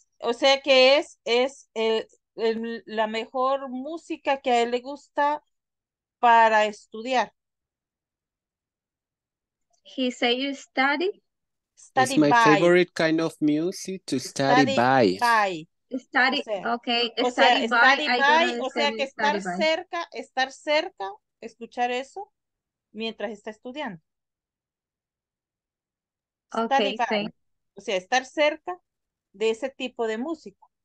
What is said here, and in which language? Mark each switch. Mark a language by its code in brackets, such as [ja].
[es] O sea que es la mejor música que a él le gusta para estudiar. [en] He said you study. It's my favorite kind of music to study by. Study, okay. Study by. [es] O sea que estar cerca, escuchar eso mientras está estudiando. [en] Okay, study by. [es] O sea, estar cerca de ese tipo de música.